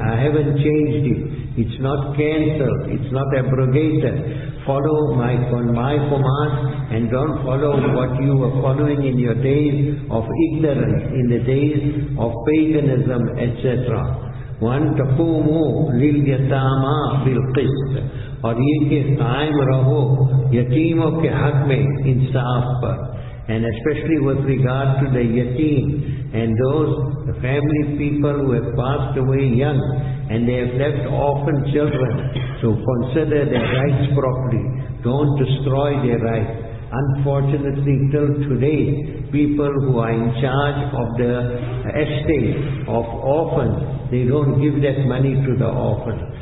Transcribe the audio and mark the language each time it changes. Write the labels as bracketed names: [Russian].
[English] I haven't changed it. It's not cancelled. It's not abrogated. Follow my command and don't follow what you were following in your days of ignorance, in the days of paganism, etc. [Arabic] One taqumu lil yatama bil qist. [Urdu] اور یہ کہ قائم رہو یتیموں کے حق میں انصاف پر. [English] And especially with regard to the yatim and those family people who have passed away young and they have left orphan children, so consider their rights properly. Don't destroy their rights. Unfortunately, till today, people who are in charge of the estate of orphans, they don't give that money to the orphans.